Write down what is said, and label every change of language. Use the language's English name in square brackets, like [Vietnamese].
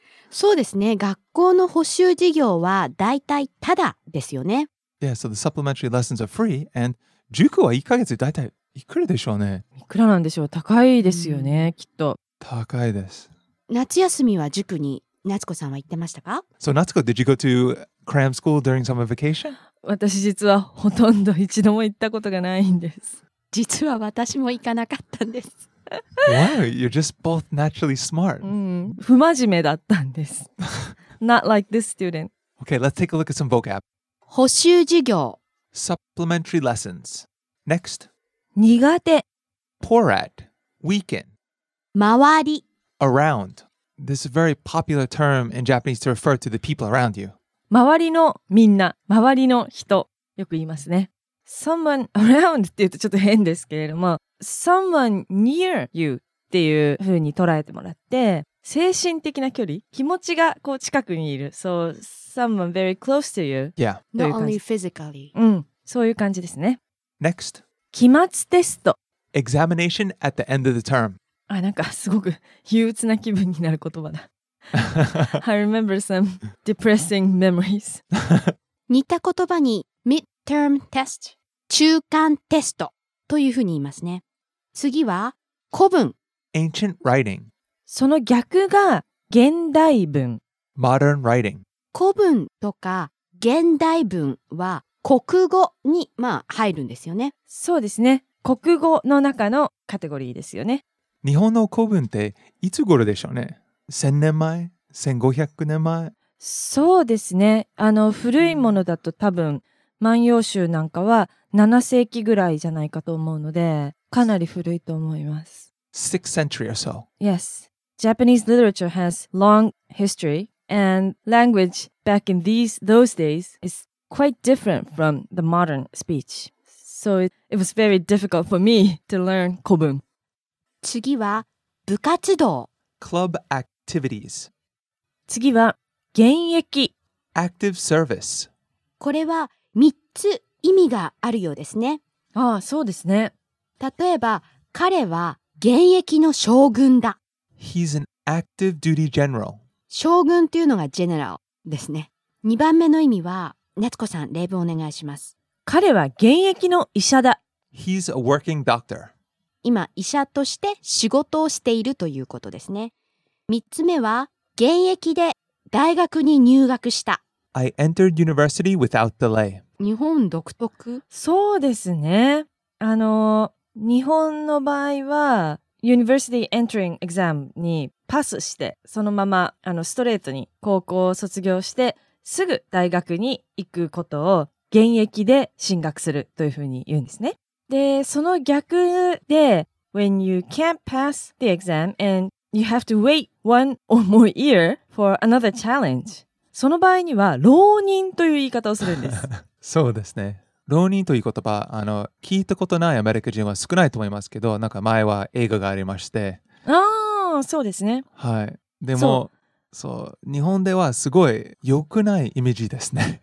[Japanese] そうですね、学校の補習授業はだいたいただですよね。 [English] Yeah, so the supplementary lessons are free and 塾は1ヶ月だいたいいくらでしょうね。 [Japanese] いくらなんでしょう。高いですよね、うん、きっと高いです。夏休みは塾に夏子さんは行ってましたか？ [English] So Natsuko, did you go to cram school during summer vacation? [Japanese] 私実はほとんど一度も行ったことがないんです。実は私も行かなかったんです。 [English] Wow, you're just both naturally smart. [Japanese] 不真面目だったんです。 [English] Not like this student. Okay, let's take a look at some vocab. [Japanese] 補習授業。 [English] Supplementary lessons. Next. [Japanese] 苦手。 [English] Poor at. Weak in. [Japanese] 周り。 [English] Around. This is a very popular term in Japanese to refer to the people around you. [Japanese] 周りのみんな、周りの人、よく言いますね。 Someone around って言うとちょっと変ですけれども、 Someone near you っていう風に捉えてもらって、精神的な距離、気持ちがこう近くにいる。 [English] So, someone very close to you. Yeah. Not only physically. [Japanese] うん、そういう感じですね。 [English] Next. [Japanese] 期末テスト。 [English] Examination at the end of the term. [Japanese] あ、なんかすごく憂鬱な気分になる言葉だ。 [English] I remember some depressing memories. [Japanese] 似た言葉に midterm test、中間テストというふうに言いますね。次は古文。 [English] Ancient writing。 [Japanese] その逆が現代文。 [English] Modern writing。 [Japanese] 古文とか現代文は国語にまあ入るんですよね。そうですね。国語の中のカテゴリーですよね。日本の古文っていつ頃でしょうね。 1000年前、1500年前。そうですね。古いものだと多分万葉集なんかは7世紀ぐらいじゃないかと思うので、かなり古いと思います。 [English] 6th century or so. Yes. Japanese literature has long history, and language back in those days is quite different from the modern speech. So it was very difficult for me to learn 古文。 [Japanese] 次は部活動。 [English] Club activities. [Japanese] 次は現役。 [English] Active service. [Japanese] これは3つ意味があるようですね。ああ、そうですね。例えば、彼は現役の将軍だ。 [English] He's an active duty general. [Japanese] 将軍というのがジェネラルですね。2番目の意味は、夏子さん、例文お願いします。彼は現役の医者だ。 [English] He's a working doctor. [Japanese] 今、医者として仕事をしているということですね。 3つ目は、現役で大学に入学した。 [English] I entered university without delay. [Japanese] 日本独特？そうですね。日本の場合は、 university entering exam にパスして、そのままストレートに高校を卒業して、すぐ大学に行くことを現役で進学するというふうに言うんですね。 [English] で、その逆で、 when you can't pass the exam and you have to wait one or more year for another challenge. [Japanese] その場合には、浪人という言い方をするんです。そうですね。浪人という言葉、聞いたことないアメリカ人は少ないと思いますけど、なんか前は映画がありまして。ああ、そうですね。はい。でも、そう、日本ではすごい良くないイメージですね。